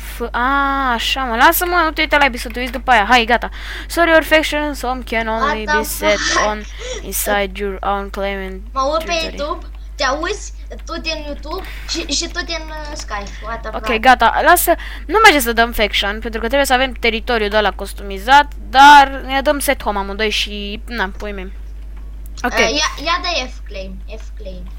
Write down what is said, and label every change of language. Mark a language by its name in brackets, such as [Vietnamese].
[Romanian] Aaa, așa mă, lasă-mă, nu te uita la episod, uiți după aia, hai, gata. [English] Sorry, your faction, some can only be set on inside your own claim. [Romanian] Mă uit pe YouTube, te auzi, tot din YouTube și tot din Skype. Ok, gata, lasă. Nu merge să dăm faction, pentru că trebuie să avem teritoriul de la costumizat, dar ne dăm set home amândoi și... Na, pui mie. Ok. Ia de F-claim, F-claim.